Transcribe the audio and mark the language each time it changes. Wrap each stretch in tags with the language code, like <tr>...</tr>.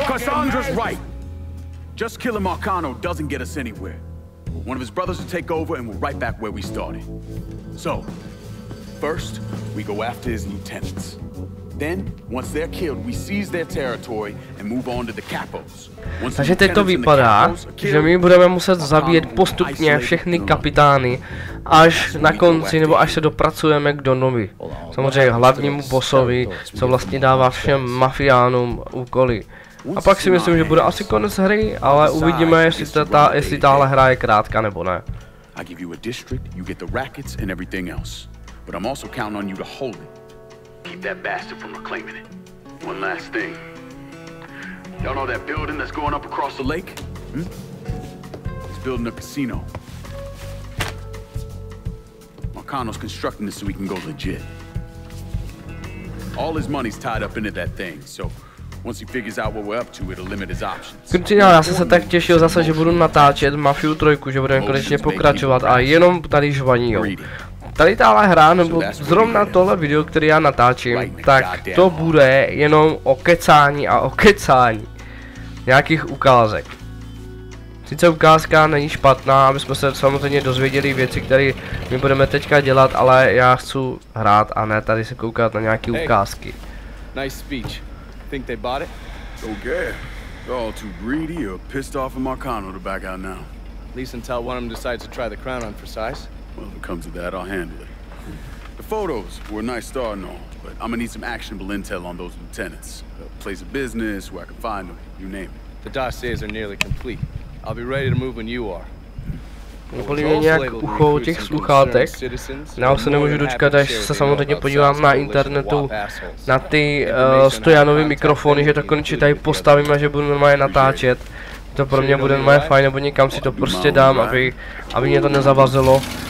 <en>Cassandra's right. Just killing Marcano doesn't get us anywhere. One of his brothers will take over and we're right back where we started. So, first, we go after his lieutenants. Then, once they're killed, we seize their territory and move on to the capos.</en> <cs>Takže teď to vypadá, že my budeme muset zabíjet postupně všechny kapitány, až na konci, nebo až se dopracujeme k Donovi. Samozřejmě hlavnímu bossovi, co vlastně dává všem mafiánům úkoly. A pak si myslím, že bude asi konec hry, ale uvidíme, jestli tahle hra je krátká nebo ne.</cs> <en>I give you a district, you get the rackets and everything else. But I'm also counting on you to hold it. Keep that bastard from reclaiming it. One last thing. Y'all know that building that's going up across the lake? Hmm? It's building a casino. Marcano's constructing this so we can go legit. All his money's tied up into that thing, so once he figures out what we're up to, it'll limit his options.</en> <cs>Kručinál, já jsem se tak těšil zase, že budu natáčet Mafiu 3, že budeme konečně pokračovat a jenom tady žvaní, jo. Tady tahle hra, nebo zrovna tohle video, které já natáčím, tak to bude jenom o kecání a o kecání nějakých ukázek. Sice ukázka není špatná, aby jsme se samozřejmě dozvěděli věci, které my budeme teďka dělat, ale já chci hrát a ne tady se koukat na nějaké ukázky.</cs> <en>Think they bought it? Okay. They're all too greedy or pissed off at Marcano to back out now. At least until one of them decides to try the crown on for size. Well, if it comes to that, I'll handle it. The photos were a nice start and all, but I'm gonna need some actionable intel on those lieutenants. A place of business, where I can find them, you name it. The dossiers are nearly complete. I'll be ready to move when you are.</en> <cs>Úplně nějak ucho těch sluchátek. Já už se nemůžu dočkat, až se samozřejmě podívám na internetu na ty Stojanovy mikrofony, že to konečně tady postavím a že budu normálně natáčet. To pro mě bude normálně fajn, nebo někam si to prostě dám, aby mě to nezavazilo.</cs>